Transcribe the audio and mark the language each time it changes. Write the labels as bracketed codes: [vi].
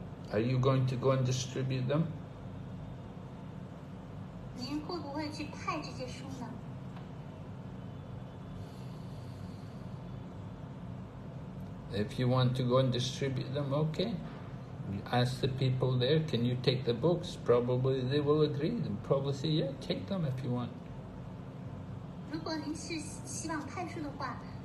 [en] Are you going to go and distribute them? [zh] 您会不会去派这些书呢？ [en] If you want to go and distribute them, okay. You ask the people there, can you take the books? Probably they will agree. They'll probably say, yeah, take them if you want. [zh] 如果您是希望派书的话,